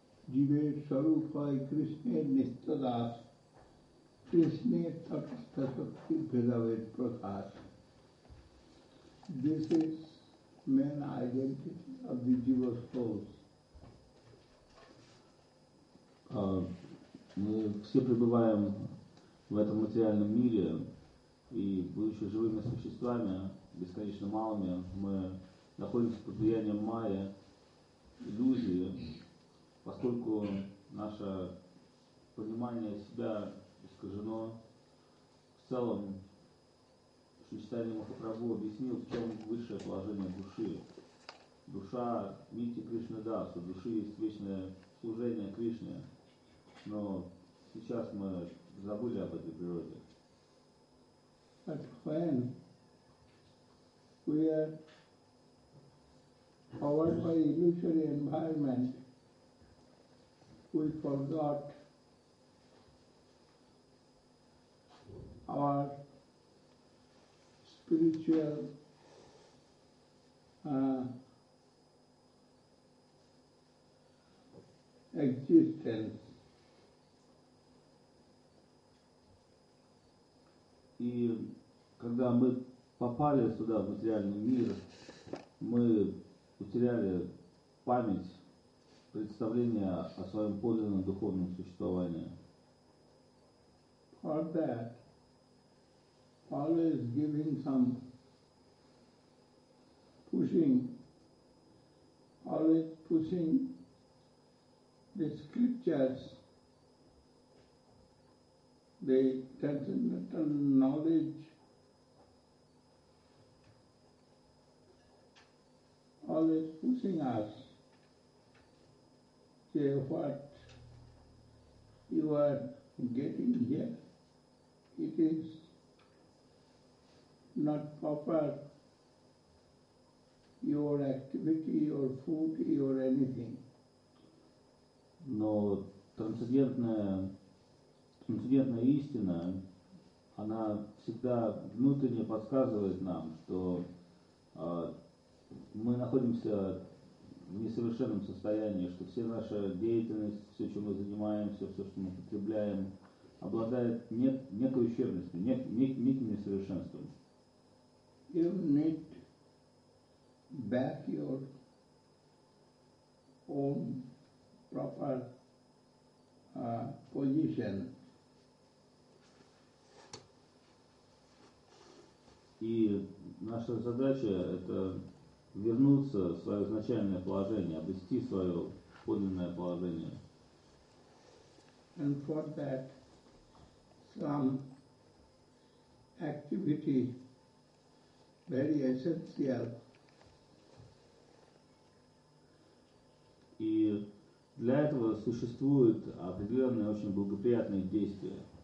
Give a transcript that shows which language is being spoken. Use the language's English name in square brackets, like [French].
[English] Jivet Sarupai Krishna Nistadas Krishna Tatastasakti Bhidavet Prakash. This is main identity of the jiva souls. [Russian] Мы все пребываем в этом материальном мире, и будучи живыми существами, бесконечно малыми, мы находимся под влиянием майя, иллюзии, поскольку наше понимание себя искажено. В целом, Шичтанья Махапрабху объяснил, в чем высшее положение души. Душа Нити Кришны Дас, у души есть вечное служение Кришне, но сейчас мы забыли об этой природе. [English] But when we are powered by illusory environment, we forgot our spiritual existence. [Russian] И когда мы попали сюда, в материальный мир, мы утеряли память, представление о своем подлинном духовном существовании. [English] For that, always giving some pushing, always pushing the scriptures, the transcendental knowledge, always pushing us, say what you are getting here, it is not proper, your activity, your food, your anything. No, [Russian] трансцендентная истина, она всегда внутренне подсказывает нам, что мы находимся в несовершенном состоянии, что вся наша деятельность, все, чем мы занимаемся, все, что мы потребляем, обладает некой ущербностью, неким несовершенством. [English] You need back your own proper position. [Russian] И наша задача – это вернуться в свое изначальное положение, обрести свое подлинное положение. [English] And for that, some activity very essential. [Russian] И для этого существуют определенные очень благоприятные действия.